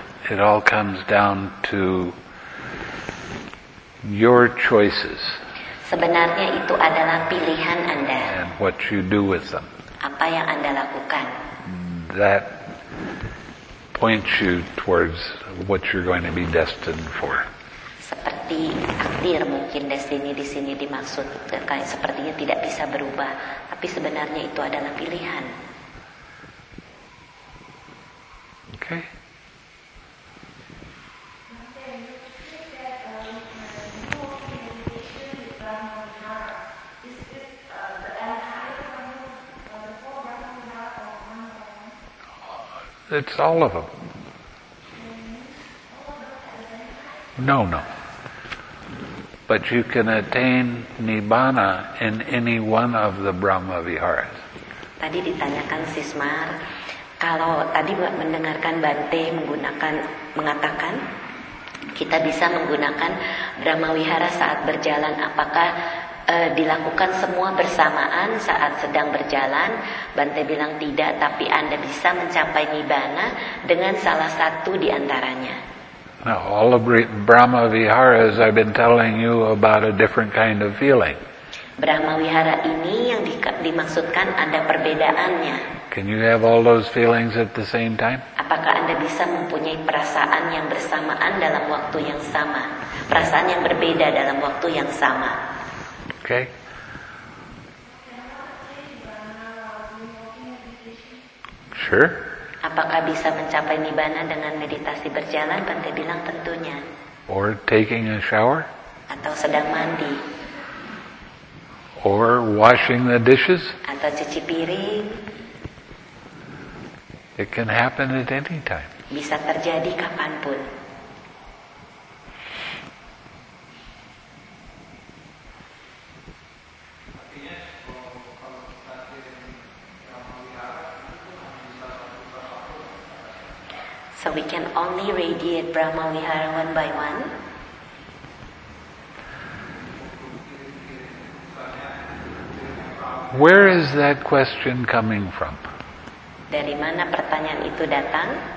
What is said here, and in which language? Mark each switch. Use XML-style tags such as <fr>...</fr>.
<en>It all comes down to your choices.</en> <id>Sebenarnya itu adalah pilihan Anda.</id> <en>And what you do with them.</en> <id>Apa yang Anda lakukan.</id> <en>That points you towards what you're going to be destined for.</en> <id>Seperti takdir, mungkin destiny di sini dimaksudkan sepertinya tidak bisa berubah, tapi sebenarnya itu adalah pilihan.</id> <en>Okay. It's all of them. No. But you can attain Nibbana in any one of the Brahma Viharas.</en> <id>Tadi ditanyakan Sismar, kalau tadi mendengarkan Bante mengatakan kita bisa menggunakan Brahma Vihara saat berjalan, apakah dilakukan semua bersamaan saat sedang berjalan? Bante bilang tidak, tapi Anda bisa mencapai Nibbana dengan salah satu di antaranya.</id> <en>Now, all of Brahma Viharas I've been telling you about a different kind of feeling.</en> <id>Brahma Vihara ini yang dimaksudkan ada perbedaannya.</id> <en>Can you have all those feelings at the same time?</en> <id>Apakah Anda bisa mempunyai perasaan yang bersamaan dalam waktu yang sama? Perasaan yang berbeda dalam waktu yang sama.</id> <en>Okay. Sure.</en> <id>Apakah bisa mencapai Nibbana dengan meditasi berjalan? Bante bilang tentunya.</id> <en>Or taking a shower?</en> <id>Atau sedang mandi.</id> <en>Or washing the dishes?</en> <id>Atau cuci piring.</id> <en>It can happen at any time.</en> <id>Bisa terjadi kapanpun.</id> <en>So we can only radiate Brahma Vihara one by one. Where is that question coming from?</en> <id>Dari mana pertanyaan itu datang?</id>